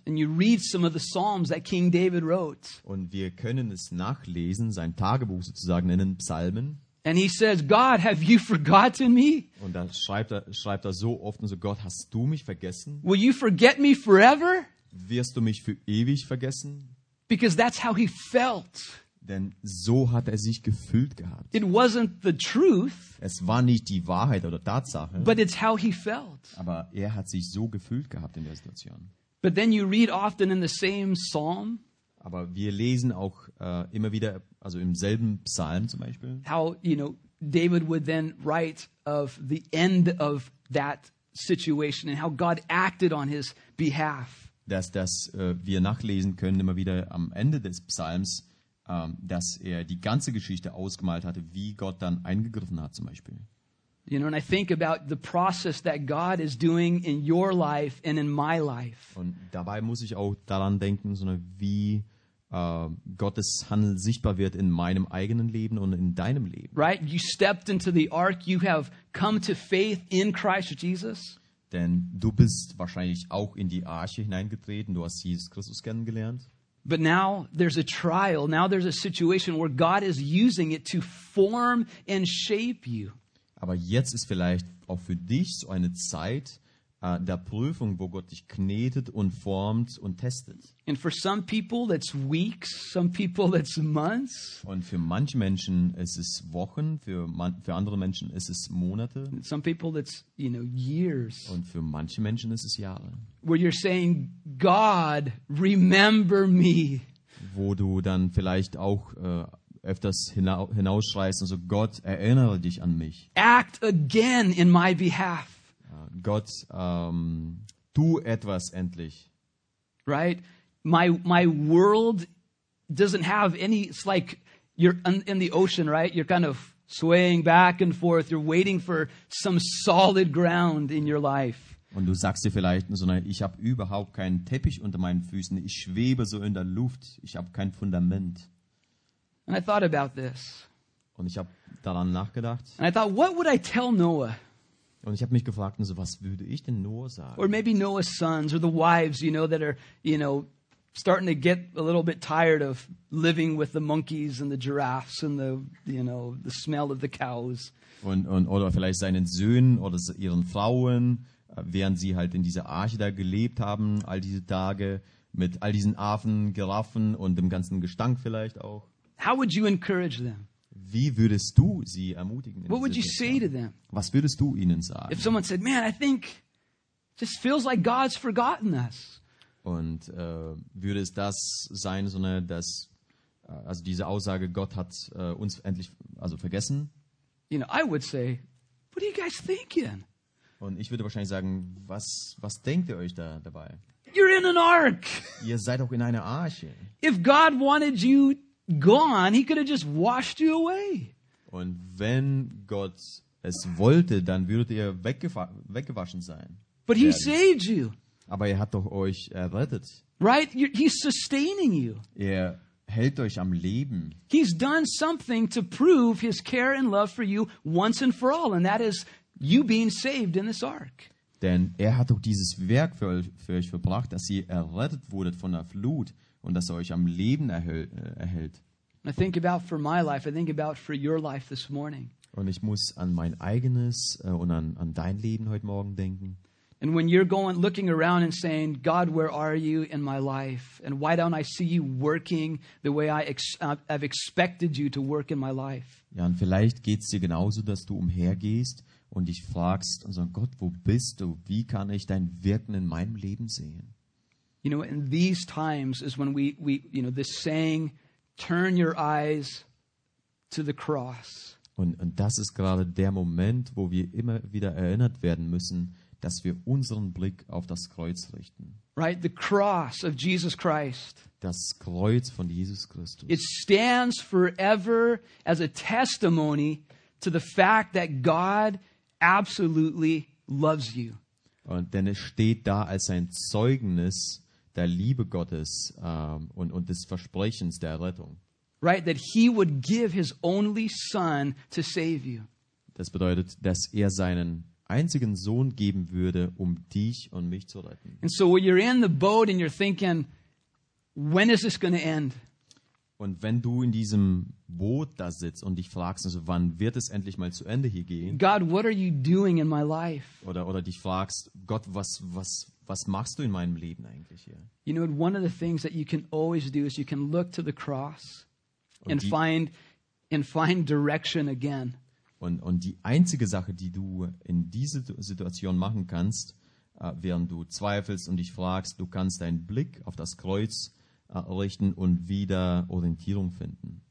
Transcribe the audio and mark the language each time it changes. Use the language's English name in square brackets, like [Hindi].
[English] And you read some of the Psalms that King David wrote. [German] Und wir können es nachlesen, sein Tagebuch sozusagen in den Psalmen. [English] And he says, God, have you forgotten me? [German] Und dann schreibt er so oft und so, Gott, hast du mich vergessen? [English] Will you forget me forever? [German] Wirst du mich für ewig vergessen? [English] Because that's how he felt. [German] Denn so hat er sich gefühlt gehabt. [English] It wasn't the truth. [German] Es war nicht die Wahrheit oder Tatsache. [English] But it's how he felt. [German] Aber er hat sich so gefühlt gehabt in der Situation. [English] But then you read often in the same psalm. [German] Aber wir lesen auch immer wieder, also im selben Psalm zum Beispiel. [English] How, you know, David would then write of the end of that situation and how God acted on his behalf. [German] Dass wir nachlesen können immer wieder am Ende des Psalms, dass er die ganze Geschichte ausgemalt hatte, wie Gott dann eingegriffen hat zum Beispiel. [English] You know, and I think about the process that God is doing in your life and in my life. [German] Und dabei muss ich auch daran denken, sondern wie Gottes Handeln sichtbar wird in meinem eigenen Leben und in deinem Leben. [English] Right? You stepped into the ark. You have come to faith in Christ Jesus. [German] Denn du bist wahrscheinlich auch in die Arche hineingetreten. Du hast Jesus Christus kennengelernt. [English] But now there's a trial. Now there's a situation where God is using it to form and shape you. [German] Aber jetzt ist vielleicht auch für dich so eine Zeit der Prüfung, wo Gott dich knetet und formt und testet. [English] And for some people that's weeks, some people that's months. [German] Und für manche Menschen ist es Wochen, für andere Menschen ist es Monate. [English] And some people that's, you know, years. [German] Und für manche Menschen ist es Jahre. [English] Where you're saying, God, remember me. [German] Wo du dann vielleicht auch öfters hinausschreist und so, Gott, erinnere dich an mich. [English] Act again in my behalf. [German] Gott, tu etwas endlich. [English] Right? My world doesn't have any, it's like you're in the ocean, right? You're kind of swaying back and forth. You're waiting for some solid ground in your life. [German] Und du sagst dir vielleicht, sondern ich habe überhaupt keinen Teppich unter meinen Füßen. Ich schwebe so in der Luft. Ich habe kein Fundament. [English] And I thought about this. [German] Und ich habe daran nachgedacht. [English] And I thought, what would I tell Noah? [German] Und ich habe mich gefragt, so, was würde ich denn Noah sagen? [English] Or maybe Noah's sons or the wives, you know, that are, you know, starting to get a little bit tired of living with the monkeys and the giraffes and the, you know, the smell of the cows. [German] Und oder vielleicht seinen Söhnen oder ihren Frauen, während sie halt in dieser Arche da gelebt haben, all diese Tage mit all diesen Affen, Giraffen und dem ganzen Gestank vielleicht auch. [English] How would you encourage them? [German] Wie würdest du sie ermutigen? [English] What would you say to them? [German] Was würdest du ihnen sagen? [English] If someone said, man, I think Just feels like God's forgotten us. [German] Und würde es das sein, so eine, dass also diese Aussage, Gott hat uns endlich also vergessen? [English] You know, I would say, what are you guys thinking? [German] Und ich würde wahrscheinlich sagen, was denkt ihr euch da dabei? [English] You're in an ark. [German] Ihr seid auch in einer Arche. [English] If God wanted you gone, he could have just washed you away. [German] Und wenn Gott es wollte, dann würdet ihr weggewaschen sein. [English] But he saved you. [German] Aber er hat doch euch errettet. [English] Right? He's sustaining you. [German] Er hält euch am Leben. [English] He's done something to prove his care and love for you once and for all, and that is you being saved in this ark. [German] Denn er hat doch dieses Werk für euch verbracht, dass ihr errettet wurdet von der Flut und dass er euch am Leben erhält. [English] I think about for my life, I think about for your life this morning. [German] Und ich muss an mein eigenes und an dein Leben heute Morgen denken. [English] And when you're going looking around and saying, God, where are you in my life? And why don't I see you working the way I have expected you to work in my life? [German] Ja, und vielleicht geht's dir genauso, dass du umhergehst und dich fragst, also Gott, wo bist du? Wie kann ich dein Wirken in meinem Leben sehen? [English] You know, in these times is when we you know, this saying, turn your eyes to the cross. [German] Und das ist gerade der Moment, wo wir immer wieder erinnert werden müssen, dass wir unseren Blick auf das Kreuz richten. [English] Right, the cross of Jesus Christ. [German] Das Kreuz von Jesus Christus. [English] It stands forever as a testimony to the fact that God absolutely loves you. [German] Und denn es steht da als ein Zeugnis der Liebe Gottes und des Versprechens der Rettung. [English] Right, that he would give his only son to save you. [German] Das bedeutet, dass er seinen einzigen Sohn geben würde, um dich und mich zu retten. [English] And so when you're in the boat and you're thinking, when is this going to end? [German] Und wenn du in diesem Boot da sitzt und dich fragst, also wann wird es endlich mal zu Ende hier gehen? [English] God, what are you doing in my life? [German] Oder dich fragst, Gott, was machst du in meinem Leben eigentlich hier? [English] You know, one of the things that you can always do is you can look to the cross and find direction again. [German] Und die einzige Sache, die du in diese Situation machen kannst, während du zweifelst und dich fragst, du kannst deinen Blick auf das Kreuz richten und wieder Orientierung finden.